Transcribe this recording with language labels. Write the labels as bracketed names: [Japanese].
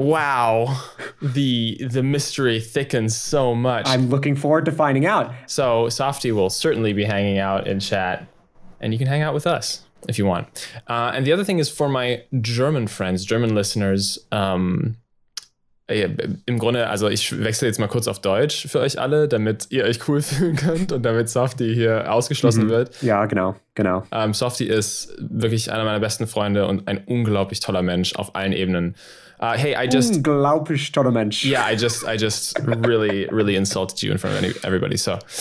[English] Wow. The mystery thickens so much. I'm looking forward to finding out. So Softy will certainly be hanging out in chat, and you can hang out with us if you want. And the other thing is for my German friends, German listeners, [German] Im Grunde, also ich wechsle jetzt mal kurz auf Deutsch für euch alle, damit ihr euch cool fühlen könnt und damit Softy hier ausgeschlossen wird. Ja, genau. Softy ist wirklich einer meiner besten Freunde und ein unglaublich toller Mensch auf allen Ebenen. Unglaublich toller Mensch. [English] Yeah, I just really, really insulted you in front of everybody, so.